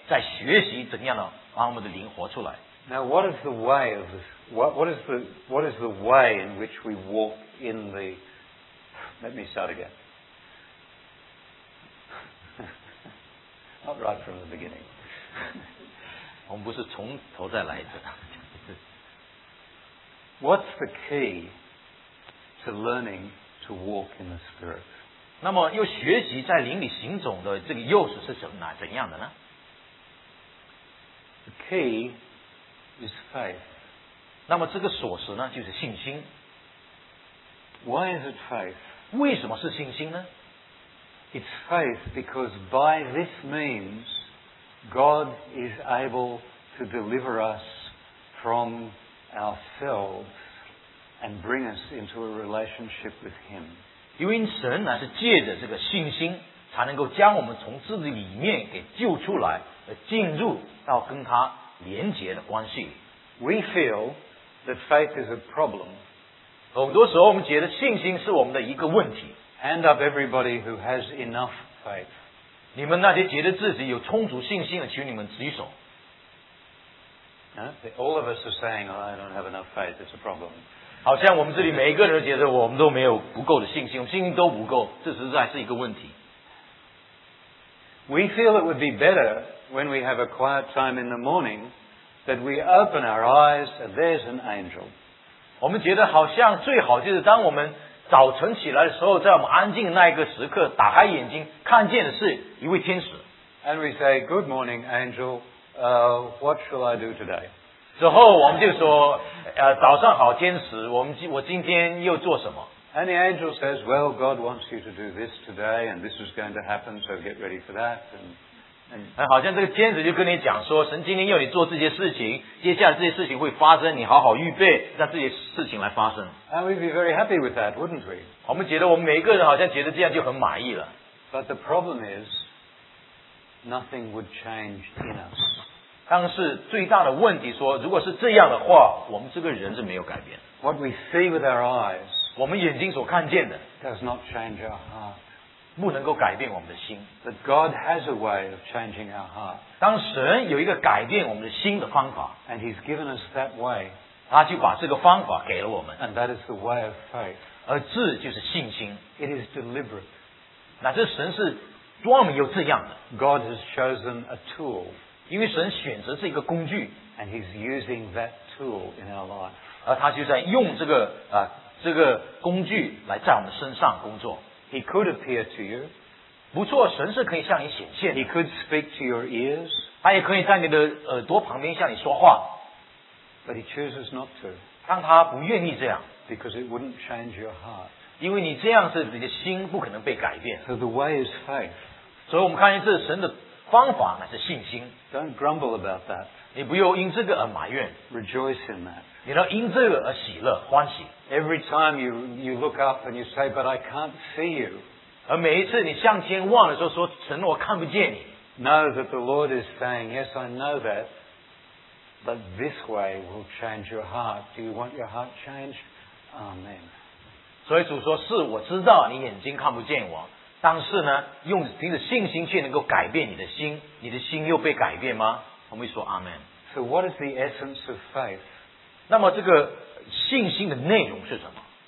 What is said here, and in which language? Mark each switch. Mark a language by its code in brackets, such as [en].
[zh] 所以带着盼望，带着我们的热心，我们能够回到这个征战上面，再学习怎样的把我们的灵活出来。 [en] Now, what is the way in which we walk in the? Let me start again. Not right from the beginning. [zh] 我们不是从头再来一次。 [en] What's the key to learning to walk in the Spirit? [zh] 那么又学习在灵里行走的这个钥匙是怎样的呢? [en] The key is faith. [zh] 那么这个锁匙呢,就是信心。 [en] Why is it faith? [zh] 为什么是信心呢? [en] It's faith because by this means God is able to deliver us from ourselves and bring us into a relationship with Him. [zh] 因为神乃是借着这个信心才能够将我们从自己里面给救出来，进入到跟他连结的关系。 [en] We feel that faith is a problem. [zh] 很多时候我们觉得信心是我们的一个问题。 [en] Hand up everybody who has enough faith. [zh] 你们那些觉得自己有充足信心的，请你们举手。 [en] All of us are saying,、oh, I don't have enough faith, it's a problem. [zh] 好像我们这里每一个人都觉得我们都没有不够的信心，我们信心都不够，这实在是一个问题。 [en] We feel it would be better when we have a quiet time in the morning that we open our eyes and there's an angel. [zh] 我们觉得好像最好就是当我们早晨起来的时候，在我们安静的那一个时刻，打开眼睛，看见的是一位天使。 [en] And we say, good morning, angel. What shall I do today? [zh] 之后我们就说，早上好，天使，我今天又做什么？ [en] And the angel says, well, God wants you to do this today, and this is going to happen, so get ready for that. And [zh] 好像这个天使就跟你讲说，神今天要你做这些事情，接下来这些事情会发生，你好好预备，让这些事情来发生。 [en] And we'd be very happy with that, wouldn't we? [zh] 我们觉得我们每一个人好像觉得这样就很满意了。 [en] But the problem is, nothing would change in us. [zh] 但是最大的问题说，如果是这样的话，我们这个人是没有改变。 [en] What we see with our eyes, [zh] 我们眼睛所看见的 [en] does not change our heart. [zh] 不能够改变我们的心。 [en] But God has a way of changing our heart. [zh] 当神有一个改变我们的心的方法， [en] and He's given us that way. [zh] 他就把这个方法给了我们。 [en] And that is the way of faith. [zh] 而这就是信心。 [en] It is deliberate. [zh] 那这神是专门有这样的。 [en] God has chosen a tool. [zh] 因为神选择是一个工具， [en] and He's using that tool in our life. [zh] 而他就在用这个这个工具来在我们身上工作。 [en] He could appear to you. [zh] 不错，神是可以向你显现的。 [en] He could speak to your ears. [zh] 他也可以在你的耳朵旁边向你说话。 [en] But he chooses not to. [zh] 但他不愿意这样。 [en] Because it wouldn't change your heart. [zh] 因为你这样子，你的心不可能被改变。 [en] So the way is faith. [zh] 所以我们看见这神的方法乃是信心。 [en] Don't grumble about that. [zh] 你不要因这个而埋怨。 [en] Rejoice in that. [zh] 你要因这个而喜乐欢喜。 [en] Every time you look up and you say, but I can't see you. [zh] 而每一次你向天望的时候说，神，我看不见你。 [en] Know that the Lord is saying, yes, I know that, but this way will change your heart. Do you want your heart changed? Amen. [zh] 所以主说，是，我知道你眼睛看不见我，但是呢，用凭着信心却能够改变你的心，你的心又被改变吗？我们说 Amen. [en] So what is the essence of faith? [zh] 那么这个信心的内容是什么？